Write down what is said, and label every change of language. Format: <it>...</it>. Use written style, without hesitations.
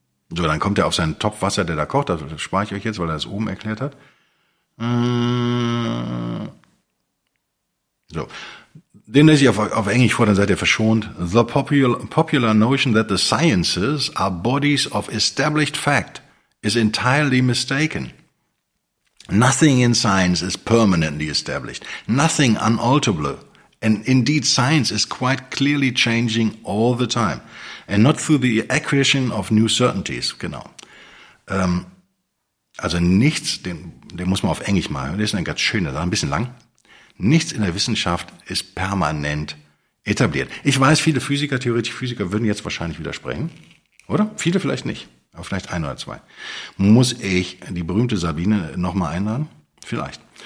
<de>So, dann kommt er auf seinen Topf Wasser, der da kocht, das spare ich euch jetzt, weil er das oben erklärt hat. So. Den lese ich auf Englisch vor, dann seid ihr verschont.</de> <en>The popular notion that the sciences are bodies of established fact is entirely mistaken. Nothing in science is permanently established. Nothing unalterable. And indeed, science is quite clearly changing all the time. And not through the acquisition of new certainties.</en> <de>Genau. Also nichts, den muss man auf Englisch mal hören. Das ist ein ganz schöner, ein bisschen lang. Nichts in der Wissenschaft ist permanent etabliert. Ich weiß, viele Physiker, theoretische Physiker würden jetzt wahrscheinlich widersprechen. Oder? Viele vielleicht nicht. Aber vielleicht ein oder zwei. Muss ich die berühmte Sabine nochmal einladen? Vielleicht.</de>